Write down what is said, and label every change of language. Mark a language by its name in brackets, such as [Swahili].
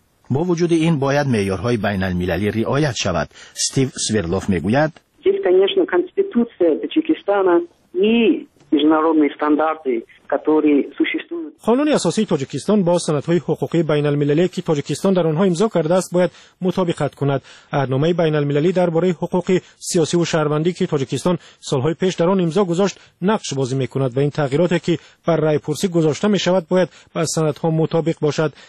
[Persian] با وجود این باید معیارهای بین المللی رعایت شود. استیو سویردلوف میگوید [Russian] کنیشن کنستیتوسیه تاجیکستان международные стандарты, которые существуют. [Persian] قانون اساسی تاجیکستان با سندهای حقوقی بین المللی که تاجیکستان در آنها امضا کرده است باید مطابقت کند. عهدنامه بین المللی درباره حقوق سیاسی و شهروندی که تاجیکستان سالهای پیش در آن امضا گذاشت نقش بازی میکند و این تغییراتی که بر رای پرسی گذاشته میشود باید با سندها مطابق باشد.